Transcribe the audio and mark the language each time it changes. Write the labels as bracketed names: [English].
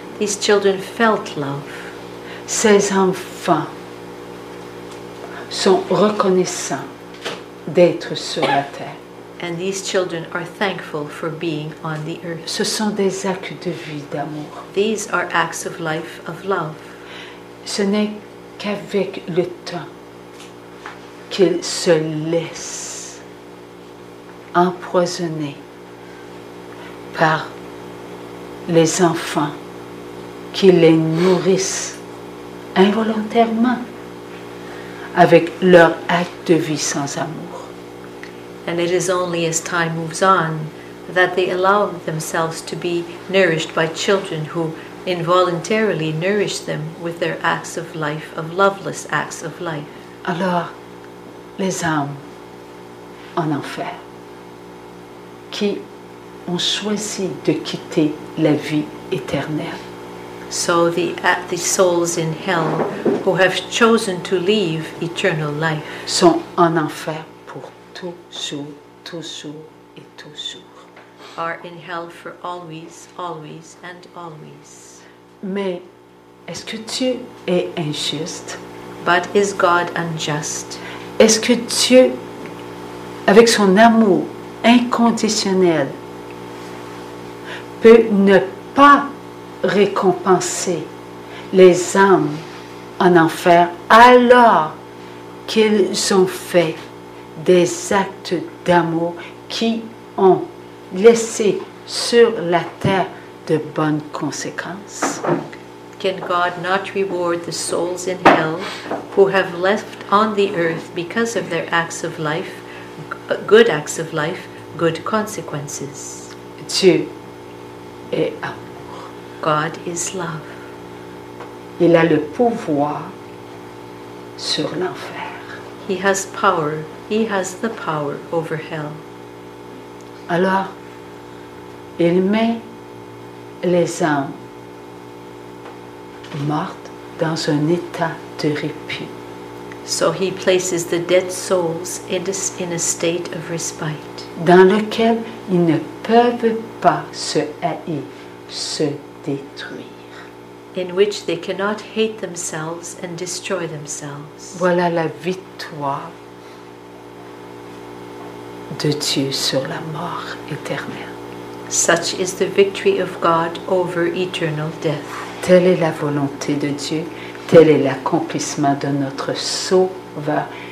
[English] These children felt love. [French] Ses enfants sont reconnaissants d'être sur la terre. [English] And these children are thankful for being on the earth. [French] Ce sont des actes de vie d'amour. [English] These are acts of life of love. [French] Ce n'est qu'avec le temps qu'ils se laissent empoisonner par les enfants qui les nourrissent involontairement avec leur acte de vie sans amour. [English] And it is only as time moves on that they allow themselves to be nourished by children who involuntarily nourish them with their acts of life, of loveless acts of life. [French] Alors, les âmes en enfer qui ont choisi de quitter la vie éternelle. [English] So the souls in hell who have chosen to leave eternal life [French] sont en enfer pour toujours, toujours et toujours. [English] Are in hell for always, always and always. [French] Mais est-ce que Dieu est injuste? [English] But is God unjust? [French] Est-ce que Dieu, avec son amour inconditionnel, peut ne pas récompenser les âmes en enfer alors qu'ils ont fait des actes d'amour qui ont laissé sur la terre de bonnes conséquences? [English] Can God not reward the souls in hell who have left on the earth because of their acts of life, good acts of life, good consequences? [French] Dieu est amour. [English] God is love. [French] Il a le pouvoir sur l'enfer. [English] He has power. He has the power over hell. [French] Alors, il met les âmes mortes dans un état de répit. [English] So he places the dead souls in a state of respite. [French] Dans lequel ils ne peuvent pas se haïr, se détruire. [English] In which they cannot hate themselves and destroy themselves. [French] Voilà la victoire de Dieu sur la mort éternelle. [English] Such is the victory of God over eternal death. [French] Telle est la volonté de Dieu, tel est l'accomplissement de notre Sauveur.